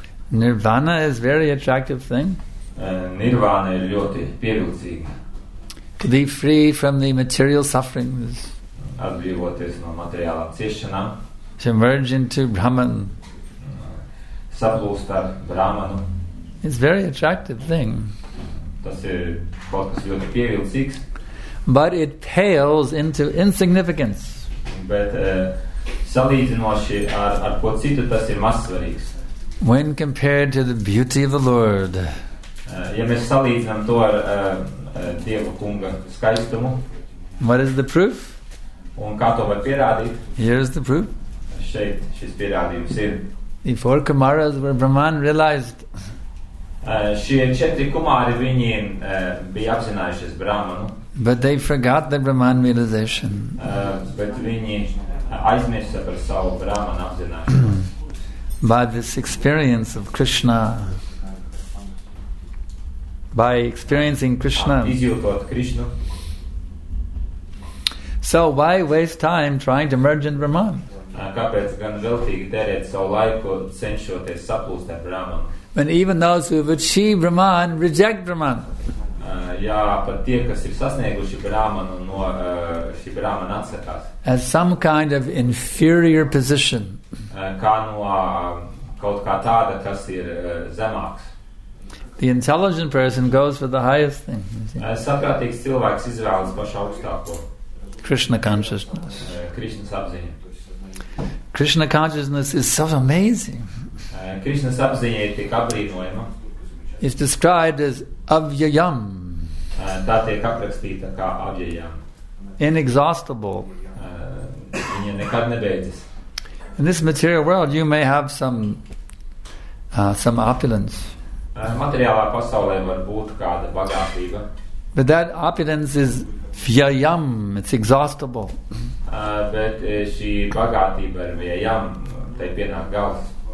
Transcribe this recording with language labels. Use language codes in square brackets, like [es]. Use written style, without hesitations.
[en] Nirvana is a very attractive thing. [lv] Nirvana is ļoti pievilcīga. [en] To be free from the material sufferings. [lv] Atbrīvoties no materiālā ciešanā. [en] To emerge into Brahman. [lv] Saplūst ar Brahmanu. [en] It's a very attractive thing. [lv] Tas ir kaut kas ļoti pievilcīgs. [en] But it pales into insignificance. [lv] But salīdzinoši ar ko citu, tas ir mazsvarīgs. [en] When compared to the beauty of the Lord. [lv] Ja mēs salīdzinām to ar Dieva Kunga skaistumu. [en] What is the proof? [lv] Un kā to var pierādīt? [en] Here is the proof. [lv] Šeit šis pierādījums ir. [en] The four Kumaras were Brahman realized. [lv] Šie četri Kumari, viņi bija apzinājušies Brahmanu. [en] But they forgot the Brahman realization. [lv] But viņi aizmirsa par savu Brahman apzināšanos. [en] By this experience of Krishna, by experiencing Krishna. [lv] Izjūtot Krishna. [en] So why waste time trying to merge in Brahman? [lv] Kāpēc gan veltīgi derēt savu laiku cenšoties saplūst ar Brahman? [en] When even those who have achieved Brahman reject Brahman. [lv] Ja pat tie, kas ir sasnieguši Brahmanu, no šī Brahmana atsakās. [en] As some kind of inferior position. [lv] Kā no kaut kā tāda, kas ir zemāks. [en] The intelligent person goes for the highest thing. [lv] Saprātīgs cilvēks izvēlas pašu augstāko. [en] Krishna consciousness. [lv] Krishnas apziņa. [en] Krishna consciousness is so amazing. [lv] Krishnas apziņa ir tik apbrīnojama. [en] It's described as avyayam. [lv] Tā tiek aprakstīta kā avyayam. [en] Inexhaustible. [lv] Viņa nekad nebeidzas. [en] In this material world, you may have some opulence. [lv] Materiālā pasaulē var būt kāda bagātība. [en] But that opulence is vyayam, it's exhaustible. [lv] Bet šī bagātība ir vyayam, tai pienāk gals.